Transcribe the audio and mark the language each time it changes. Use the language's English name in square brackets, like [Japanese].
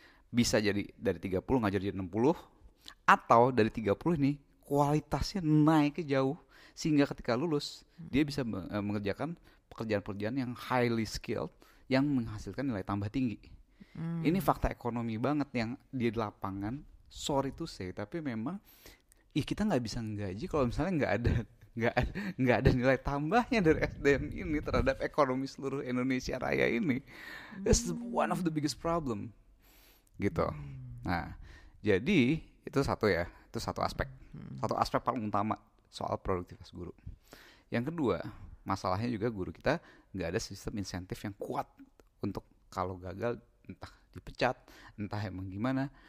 [Indonesian] Bisa jadi dari 30 ngajar jadi 60 atau dari 30 ini kualitasnya naik ke jauh sehingga ketika lulus dia bisa mengerjakan pekerjaan-pekerjaan yang [English] highly skilled [Indonesian] yang menghasilkan nilai tambah tinggi. Ini fakta ekonomi banget yang di lapangan, [English] sorry to say, [Indonesian] tapi memang ya kita enggak bisa ngaji kalau misalnya enggak ada nilai tambahnya dari SDM ini terhadap ekonomi seluruh Indonesia Raya ini. [English] This is one of the biggest problem. [Indonesian] Gitu. Nah, jadi itu satu ya, itu satu aspek. Satu aspek paling utama soal produktivitas guru. Yang kedua, masalahnya juga guru kita enggak ada sistem insentif yang kuat untuk kalau gagal entah dipecat, entah emang gimana.